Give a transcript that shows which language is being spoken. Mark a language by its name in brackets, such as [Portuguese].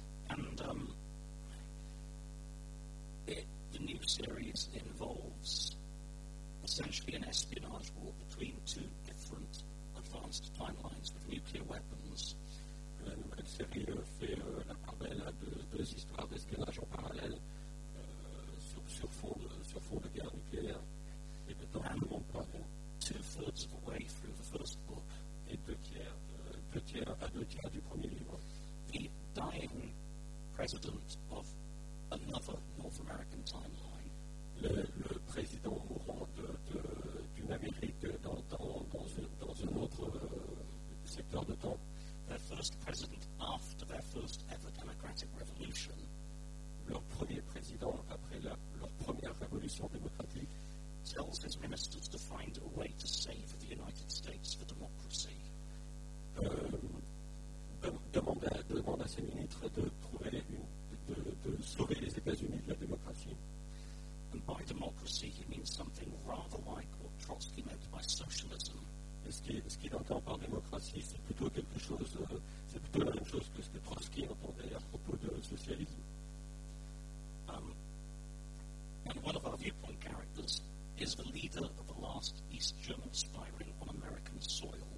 [English] And the new series involves essentially an espionage war between two different advanced timelines with nuclear weapons. [French] Cette série fait la part belle à deux histoires d'espionnage en parallèle sur fond de guerre nucléaire. Et maintenant, [English] two-thirds of the way through the first book. [French] Et deux tiers du premier livre. [English] The dying president of another North American timeline. [French] Le président mourant d'une Amérique dans un autre secteur de temps. [English] Their first president after their first ever democratic revolution. [French] Leur premier président après leur première révolution démocratique [English] tells his ministers to find a way to save the United States for democracy. [French] Demande à ses ministres de trouver de sauver les États-Unis de la démocratie. [English] And by democracy, he means something rather like what Trotsky meant by socialism. [French] Ce qu'il entend par démocratie, c'est plutôt quelque chose, c'est plutôt la même chose que ce que Trotsky entendait à propos de socialisme. [English] And one of our viewpoint characters is the leader of the last East German spy ring on American soil.